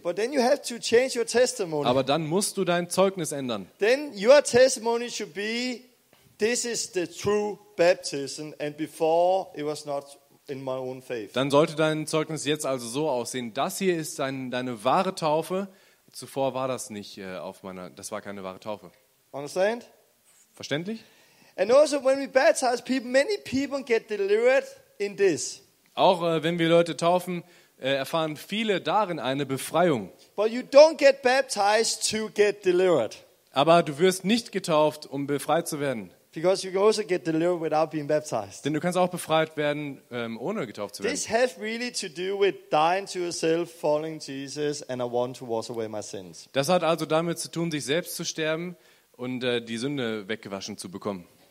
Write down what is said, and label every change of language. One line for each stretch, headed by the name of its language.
English: But then you have to change your testimony.
German: Aber dann musst du dein Zeugnis ändern.
English: Then your testimony should be, this is the true baptism, and before it was not in my own faith.
German: Dann sollte dein Zeugnis jetzt also so aussehen, das hier ist deine wahre Taufe. Zuvor war das nicht auf meiner, das war keine wahre Taufe.
English: Understand?
German: Verständlich?
English: And also when we baptize people, many people get delivered in this.
German: Auch wenn wir Leute taufen, erfahren viele darin eine Befreiung.
English: But you don't get baptized to get delivered.
German: Aber du wirst nicht getauft, um befreit zu werden.
English: Because you can also get delivered without being baptized.
German: Denn du kannst auch befreit werden, ohne getauft zu werden.
English: This has really to do with dying to yourself, following Jesus, and I want to wash away my sins.
German: Das hat also damit zu tun, sich selbst zu sterben und die Sünde weggewaschen zu bekommen.